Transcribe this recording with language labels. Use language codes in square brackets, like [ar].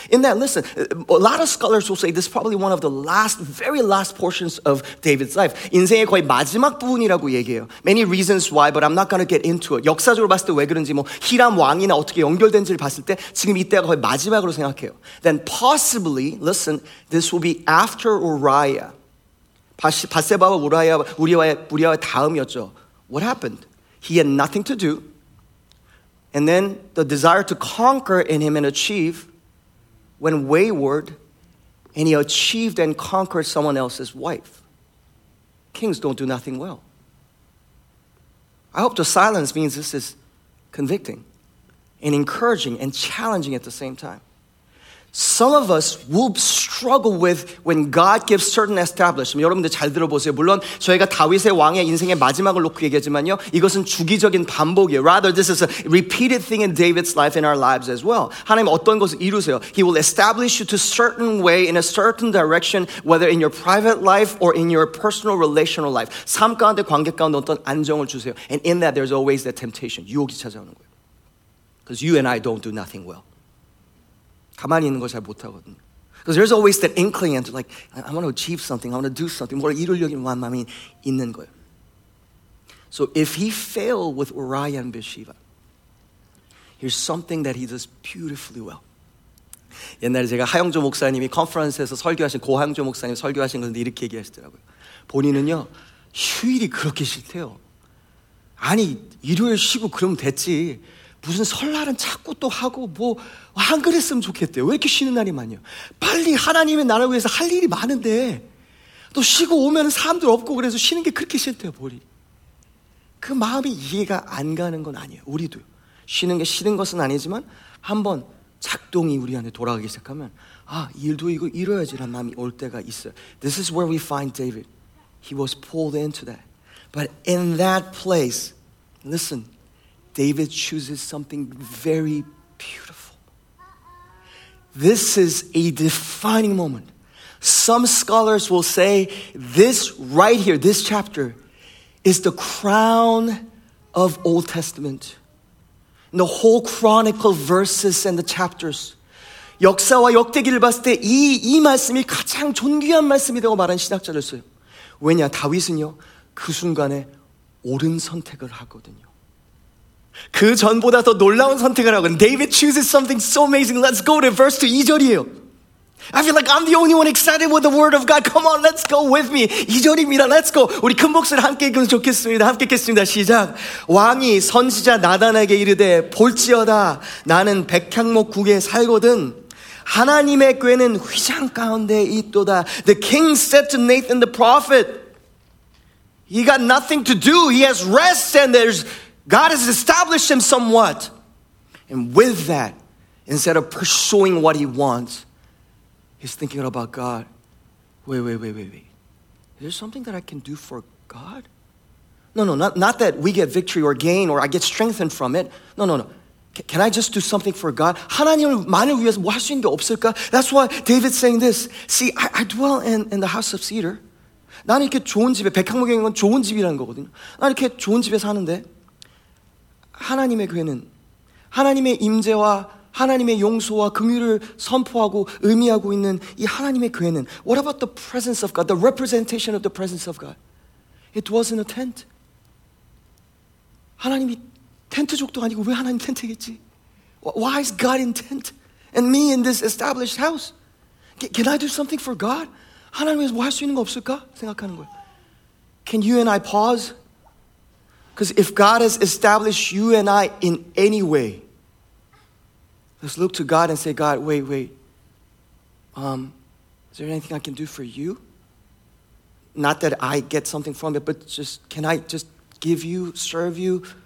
[en] In that, listen, a lot of scholars will say this is probably one of the last, very last portions of David's life. [ko] 인생의 거의 마지막 부분이라고 얘기해요. [en] Many reasons why, but I'm not going to get into it. [ko] 역사적으로 봤을 때 왜 그런지, 뭐 히람 왕이나 어떻게 연결된지를 봤을 때 지금 이때가 거의 마지막으로 생각해요. [en] Then possibly, listen, this will be after Uriah. [ko] 바세바와 우리아의 다음이었죠. [en] What happened? He had nothing to do. And then the desire to conquer in him and achieve went wayward and he achieved and conquered someone else's wife. Kings don't do nothing well. I hope the silence means this is convicting and encouraging and challenging at the same time. Some of us will struggle with when God gives certain establishment. [ko] 여러분들 잘 들어보세요. 물론 저희가 다윗의 왕의 인생의 마지막을 놓고 얘기하지만요. 이것은 주기적인 반복이에요. [en] Rather, this is a repeated thing in David's life and our lives as well. [ko] 하나님 어떤 것을 이루세요? [en] He will establish you to certain way in a certain direction, whether in your private life or in your personal relational life. [ko] 삶 가운데 관계 가운데 어떤 안정을 주세요. [en] And in that, there's always that temptation. [ko] 유혹이 찾아오는 거예요. [en] Because you and I don't do nothing well. [ko] 가만히 있는 걸 잘 못하거든요. [en] Because there's always that inkling and like, I want to achieve something, I want to do something. [ko] 뭐를 이루려고 하는 마음이 있는 거예요. [en] So if he failed with Uriah and Bathsheba, here's something that he does beautifully well. [ko] 옛날에 제가 하영조 목사님이 컨퍼런스에서 설교하신, 고하영조 목사님이 설교하신 건데 이렇게 얘기하시더라고요. 본인은요, 휴일이 그렇게 싫대요. 아니, 일요일 쉬고 그러면 됐지. 무슨 설날은 자꾸 또 하고 뭐 안 그랬으면 좋겠대요. 왜 이렇게 쉬는 날이 많냐. 빨리 하나님의 나라 위해서 할 일이 많은데 또 쉬고 오면 사람들 없고 그래서 쉬는 게 그렇게 싫대요. 머리. 그 마음이 이해가 안 가는 건 아니에요. 우리도 쉬는 게 싫은 것은 아니지만 한번 작동이 우리 안에 돌아가기 시작하면 아 일도 이거 이뤄야지라는 마음이 올 때가 있어요. [en] This is where we find David. He was pulled into that. But in that place, listen, David chooses something very beautiful. This is a defining moment. Some scholars will say this right here, this chapter, is the crown of Old Testament. And the whole chronicle verses and the chapters. [ko] 역사와 역대기를 봤을 때 이 말씀이 가장 존귀한 말씀이라고 말한 신학자를 써요. 왜냐, 다윗은요, 그 순간에 옳은 선택을 하거든요. 그 전보다 더 놀라운 선택을 하고 [en] David chooses something so amazing. Let's go to verse 2, [ko] 2절이에요. [en] I feel like I'm the only one excited with the word of God. Come on, let's go with me. [ko] 2절입니다. [en] Let's go. [ko] 우리 큰 목소리 함께 읽으면 좋겠습니다. 함께 읽겠습니다. 시작. 왕이 선지자 나단에게 이르되 볼지어다 나는 백향목 국에 살거든 하나님의 궤는 휘장 가운데 있도다. [en] The king said to Nathan the prophet, He got nothing to do. He has rest and there's God has established him somewhat. And with that, instead of pursuing what he wants, he's thinking about God. Wait. Is there something that I can do for God? No, not that we get victory or gain or I get strengthened from it. No. Can I just do something for God? [ko] 하나님만을 위해서 뭐 할 수 있는 게 없을까? [en] That's why David's saying this. See, I dwell in the house of cedar. [ko] 나는 이렇게 좋은 집에, 백향목에 있는 건 좋은 집이라는 거거든요. 나는 이렇게 좋은 집에 사는데. 하나님의 궤는 하나님의 임재와 하나님의 용서와 긍휼을 선포하고 의미하고 있는 이 하나님의 궤는 [en] What about the presence of God? The representation of the presence of God? It wasn't a tent. [ko] 하나님이 텐트족도 아니고 왜 하나님 텐트겠지? [en] Why is God in tent? And me in this established house. Can I do something for God? [ko] 하나님 위해서 뭐 할 수 있는 거 없을까? 생각하는 거예요. [en] Can you and I pause? Because if God has established you and I in any way, let's look to God and say, God, wait. Is there anything I can do for you? Not that I get something from it, but just, can I just give you, serve you?